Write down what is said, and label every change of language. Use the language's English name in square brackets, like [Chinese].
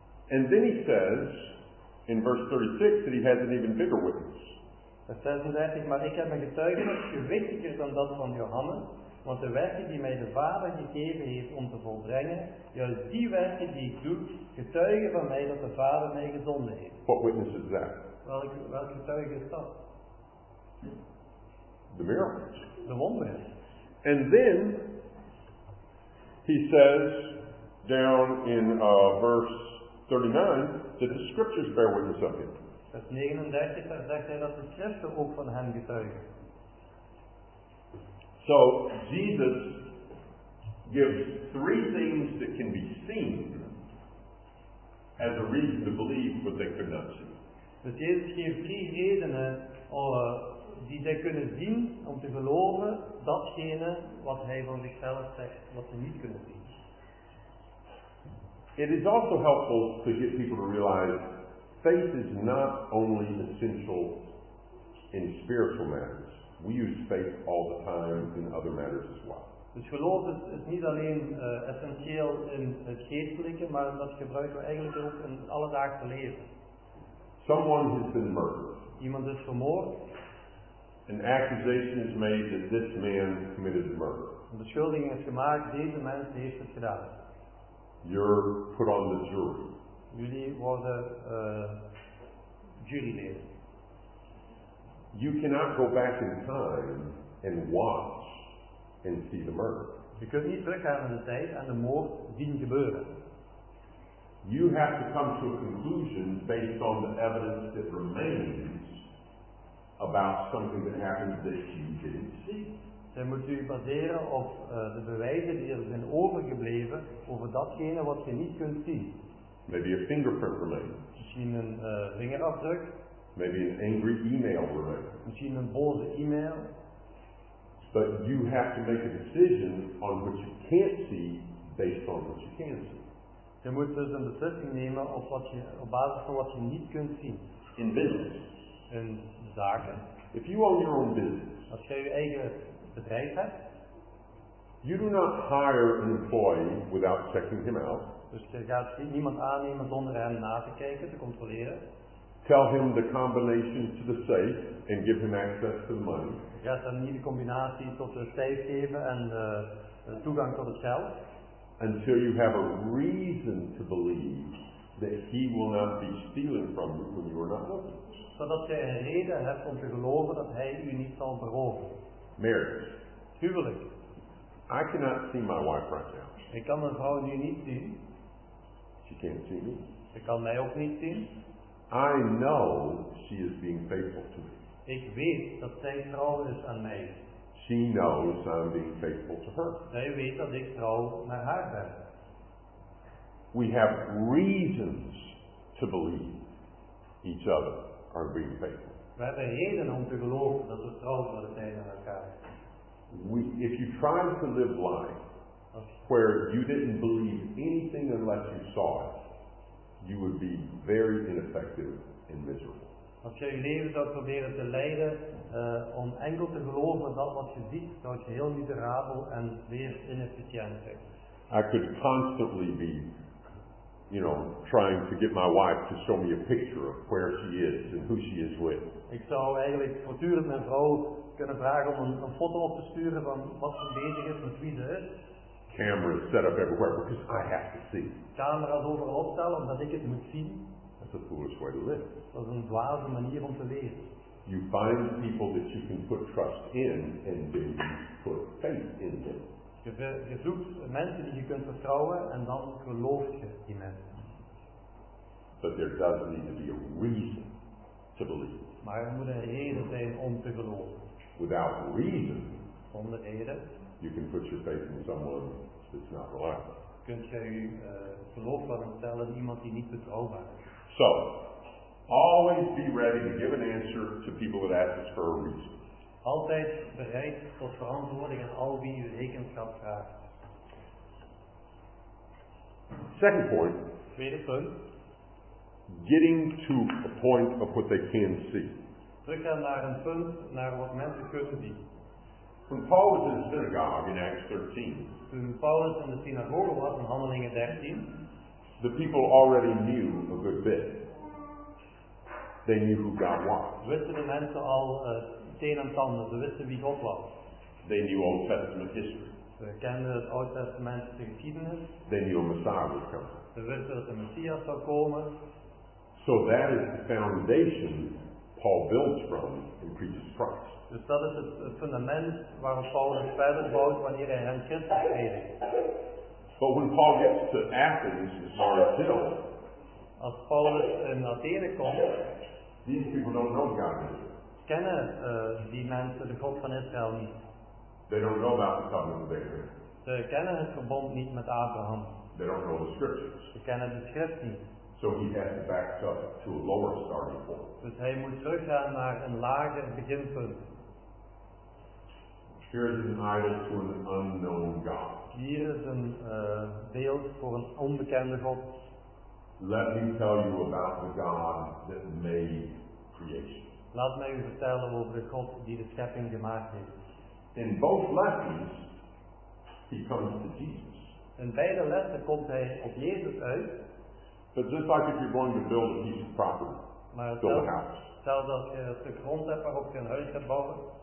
[English] And then he says in verse 36 that he has an even bigger witness. [Dutch] Vers 36, maar ik heb een getuigenis gewichtiger dan dat van Johannes. Want de werken die mij de Vader gegeven heeft om te volbrengen, juist die werken die ik doe, getuigen van mij dat de Vader mij gezonden heeft. [English] What witness is that? [Dutch] Welk getuige is dat? [English] The miracles. [Dutch] De wonderen. [English] And then, he says, down in verse 39, that the scriptures bear witness of him. [Dutch] Vers 39, daar zegt hij dat de schriften ook van hem getuigen. [English] So, Jesus gives three things that can be seen as a reason to believe what they could not see. [Dutch] Dus Jezus geeft drie redenen die zij kunnen zien om te geloven datgene wat hij van zichzelf zegt, wat ze niet kunnen zien. [English] It is also helpful to get people to realize faith is not only essential in spiritual matters. We use faith all the time in other matters as well. [Dutch] Dus geloof is niet alleen essentieel in het geestelijke, maar dat gebruiken we eigenlijk ook in het alledaagse leven. [English] Someone has been murdered. [Dutch] Iemand is vermoord. [English] An accusation is made that this man committed the murder. [Dutch] Een beschuldiging is gemaakt, deze mens heeft het gedaan. [English] You're put on the jury. [Dutch] Jullie worden juryleden. [English] You cannot go back in time and watch and see the murder. [Dutch] Je kunt niet teruggaan in de tijd en de moord zien gebeuren. [English] you have to come to a conclusion based on the evidence that remains about something that happened that you didn't see. [Dutch] Dan moet u baseren op de bewijzen die er zijn overgebleven over datgene wat je niet kunt zien. [English] Maybe a fingerprint remains. [Dutch] Misschien een vingerafdruk. [English] Maybe an angry email remains. [Dutch] Misschien een boze e-mail. [English] But you have to make a decision on what you can't see based on what you can see. [Dutch] Je moet dus een beslissing nemen op, wat je, op basis van wat je niet kunt zien. [English] In business. [Dutch] In zaken. [English] If you own your own business. [Dutch] Als jij je eigen bedrijf hebt. [English] You do not hire an employee without checking him out. [Dutch] Dus je gaat niemand aannemen zonder hem na te kijken, te controleren. [English] Tell him the combination to the safe and give him access to the money. [Dutch] Je gaat hem niet de combinatie tot de safe geven en de toegang tot het geld. [English] Until you have a reason to believe that he will not be stealing from you when you are not looking. [Dutch] Zodat je een reden hebt om te geloven dat hij u niet zal beroven. [English] Marriage. [Dutch] Huwelijk. [English] I cannot see my wife right now. [Dutch] Ik kan mijn vrouw nu niet zien. [English] She can't see me. [Dutch] Ze kan mij ook niet zien. [English] I know she is being faithful to me. [Dutch] Ik weet dat zij trouw is aan mij. [English] She knows I'm being faithful to her. [Dutch] Zij weet dat ik trouw naar haar ben. [English] We have reasons to believe each other are being faithful. [Dutch] We hebben reden om te geloven dat we trouw zullen zijn aan elkaar. [English] If you try to live life where you didn't believe anything unless you saw it, you would be very ineffective and miserable. [Dutch] Als je je leven zou proberen te leiden om enkel te geloven dat wat je ziet, zou je heel miserabel en weer inefficiënt zijn. [English] I could constantly be, you know, trying to get my wife to show me a picture of where she is and who she is with. [Dutch] Ik zou eigenlijk voortdurend mijn vrouw kunnen vragen om een foto op te sturen van wat ze bezig is, met wie ze is. [English] Cameras set up everywhere because I have to see. [Dutch] Camera's overal opstellen omdat ik het moet zien. [English] That's a foolish way to live. [Dutch] Dat is een dwaze manier om te leven. [English] You find people that you can put trust in and then you put faith in them. [Dutch] Je zoekt mensen die je kunt vertrouwen en dan geloof je die mensen. [English] But there does need to be a reason to believe. [Dutch] Maar er moet een reden zijn om te geloven. [English] Without reason. [Dutch] Zonder reden. [English] You can put your faith in someone that's not reliable. [Dutch] Kunt jij je geloof wel stellen in iemand die niet betrouwbaar is? [English] So, always be ready to give an answer to people that ask us for a reason. [Dutch] Altijd bereid tot verantwoording aan al wie je rekenschap vraagt. [English] Second point. [Dutch] Tweede punt. [English] Getting to a point of what they can see. [Dutch] Teruggaan naar een punt naar wat mensen kunnen zien. [English] When Paul was in the synagogue in Acts 13. [Dutch] Toen Paulus in de synagoge was in Handelingen 13. [English] The people already knew a good bit. They knew who God was. [Dutch] Wisten de mensen al teen en tanden, ze wisten wie God was. [English] They knew Old Testament history. [Dutch] Ze kenden het Oude Testament de geschiedenis. [English] They knew a Messiah was coming. [Dutch] Ze wisten dat de Messias zou komen. [English] So that is the foundation Paul builds from in Jesus Christ. [Dutch] Dus dat is het fundament waarop Paulus verder bouwt wanneer hij hen Christus predikt. [English] But when Paul gets to Athens, it's hard to tell. [Dutch] Als Paulus in Athene komt, [English] these people don't know God. [Dutch] Kennen die mensen de God van Israël niet? [English] They don't know about the covenant of Abraham. [Dutch] Ze kennen het verbond niet met Abraham. [English] They don't know the scriptures. [Dutch] Ze kennen de schrift niet. [English] So he has to back up to a lower starting point. [Dutch] Dus hij moet teruggaan naar een lager beginpunt. [English] Here is an idol to an unknown God. [Dutch] Hier is een beeld voor een onbekende God. [English] Let me tell you about the God that made creation. [Dutch] Laat mij u vertellen over de God die de schepping gemaakt heeft. [English] In both letters, he comes to Jesus. [Dutch] In beide letters komt hij op Jezus uit. [English] But just like if you're going to build a piece of property, build a house. [Dutch] Stel dat je een stuk grond hebt waarop je een huis gaat bouwen.